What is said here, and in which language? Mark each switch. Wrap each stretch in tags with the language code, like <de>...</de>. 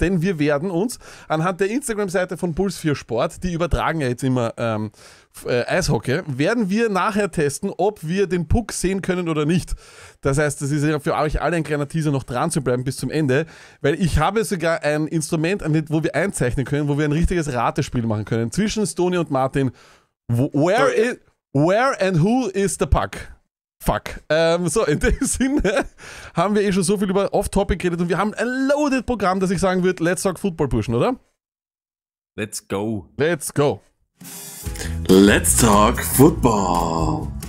<de>Denn wir werden uns anhand der Instagram-Seite von Puls für Sport, die übertragen ja jetzt immer Eishockey, werden wir nachher testen, ob wir den Puck sehen können oder nicht. Das heißt, das ist ja für euch alle ein kleiner Teaser, noch dran zu bleiben bis zum Ende. Weil ich habe sogar ein Instrument, wo wir einzeichnen können, wo wir ein richtiges Ratespiel machen können. Zwischen Stony und Martin.</de> <en>Where and who is the puck? Fuck.</en> <de>So, in dem Sinne haben wir eh schon so viel über Off-Topic geredet und wir haben ein loaded Programm, dass ich sagen würde,</de> <en>let's talk Football</en> <de>pushen, oder?</de> <en>Let's go. Let's go. Let's talk Football.</en>